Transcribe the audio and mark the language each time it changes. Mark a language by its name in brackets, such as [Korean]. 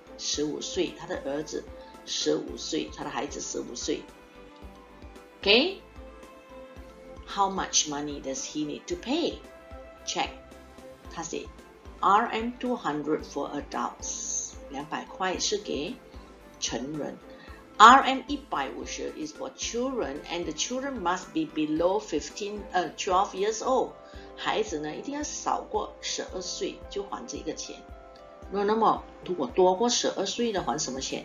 [Chinese] 15岁, 他的儿子 15岁, 他的孩子 15岁. [English] Okay? How much money does he need to pay? Check. [Chinese] 他是 [English] RM200 for adults. [Chinese] 200块 是给成人. [English] RM150 is for children and the children must be below 12 years old. [Chinese] 孩子呢一定要少过12岁就还这个钱。那么如果多过12岁的还什么钱?